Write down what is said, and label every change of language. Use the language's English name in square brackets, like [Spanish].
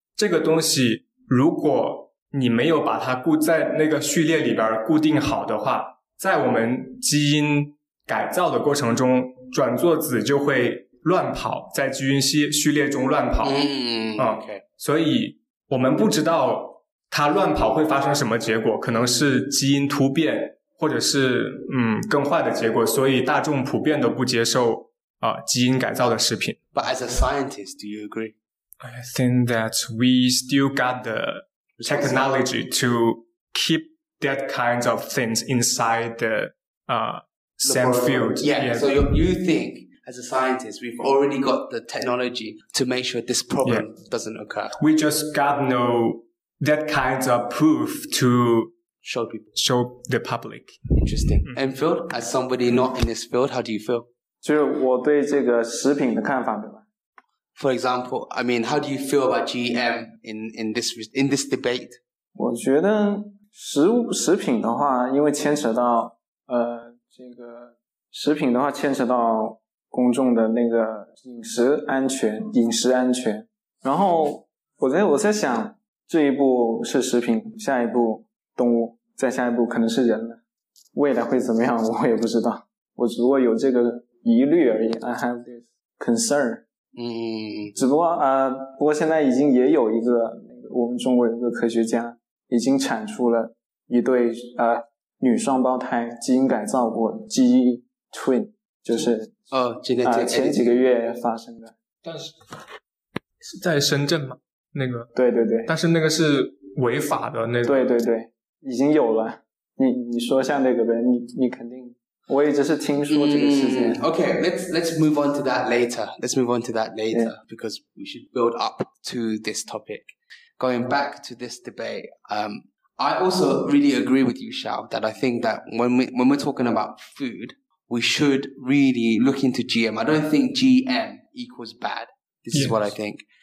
[Chinese] 这个东西如果你没有把它固在那个序列里边固定好的话，在我们基因改造的过程中，转作子就会乱跑，在基因序列中乱跑。所以我们不知道它乱跑会发生什么结果，可能是基因突变，或者是更坏的结果，所以大众普遍都不接受基因改造的食品。 [English] But as a scientist, do you agree? I think that we still got the technology to keep that kind of things inside the same field. Yeah, so you think, as a scientist, we've already got the technology to make sure this problem doesn't occur. We just got no that kind of proof to show people. Show the public. Interesting. Enfield, as somebody not in this field, how do you feel? [Chinese] 就是我对这个食品的看法，对吧？ [English] For example, I mean, how do you feel about GM in this debate? [Chinese] 我觉得食品的话，因为牵扯到这个食品的话，牵扯到公众的那个饮食安全。然后我在想，这一步是食品，下一步动物，再下一步可能是人了。未来会怎么样，我也不知道。我只不过有这个疑虑而已。 [English] I have this concern。 [Chinese] 只不过不过现在已经也有一个那个我们中国有一个科学家已经产出了一对女双胞胎基因改造过基因 twin， 就是前几个月发生的。但是在深圳吗？那个？对对对。但是那个是违法的那个。对对对，已经有了。你说一下那个呗，你肯定。我也只是听说这个事情。 [English] Okay, let's move on to that later. Let's move on to that later because we should build up to this topic. Going back to this debate, I also really agree with you, Xiao, that I think that when we're talking about food, we should really look into GM. I don't think GM equals bad. This is what I think.